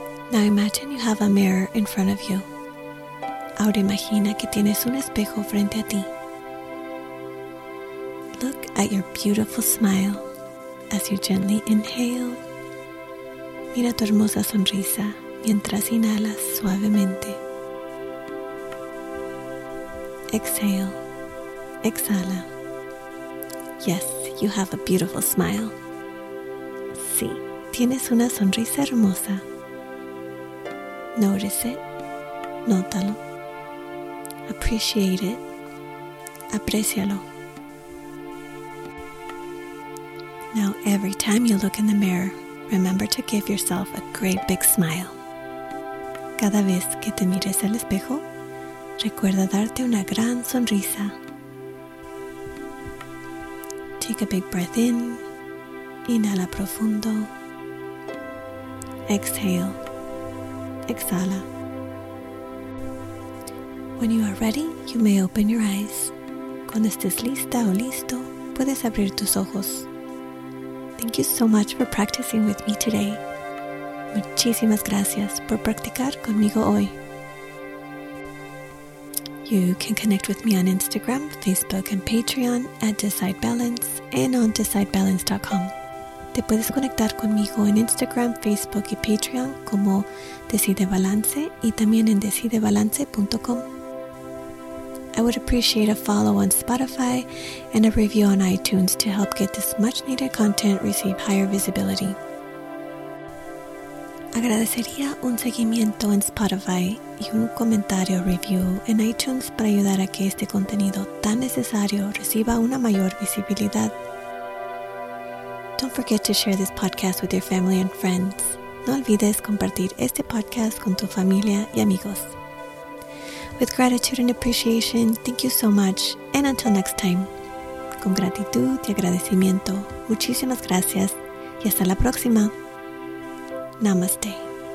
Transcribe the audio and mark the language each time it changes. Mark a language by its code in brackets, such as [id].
[en] Now imagine you have a mirror in front of you. [es] Ahora imagina que tienes un espejo frente a ti. [en] Look at your beautiful smile as you gently inhale. [es] Mira tu hermosa sonrisa mientras inhalas suavemente. [en] Exhale. [es] Exhala. [en] Yes, you have a beautiful smile. [es] Sí, tienes una sonrisa hermosa. [en] Notice it. [es] Nótalo. [en] Appreciate it. [es] Aprécialo. [en] Now, every time you look in the mirror, remember to give yourself a great big smile. [es] Cada vez que te mires al espejo, recuerda darte una gran sonrisa. [en] Take a big breath in. [es] Inhala profundo. [en] Exhale. [es] Exhala. [en] When you are ready, you may open your eyes. [es] Cuando estés lista o listo, puedes abrir tus ojos. [en] Thank you so much for practicing with me today. [es] Muchísimas gracias por practicar conmigo hoy. [en] You can connect with me on Instagram, Facebook, and Patreon at DecideBalance and on DecideBalance.com. [es] Te puedes conectar conmigo en Instagram, Facebook y Patreon como DecideBalance y también en DecideBalance.com. [en] I would appreciate a follow on Spotify and a review on iTunes to help get this much-needed content receive higher visibility. [es] Agradecería un seguimiento en Spotify y un comentario review en iTunes para ayudar a que este contenido tan necesario reciba una mayor visibilidad. [en] Don't forget to share this podcast with your family and friends. [es] No olvides compartir este podcast con tu familia y amigos. [en] With gratitude and appreciation, thank you so much, and until next time. [es] Con gratitud y agradecimiento, muchísimas gracias, y hasta la próxima. Namaste.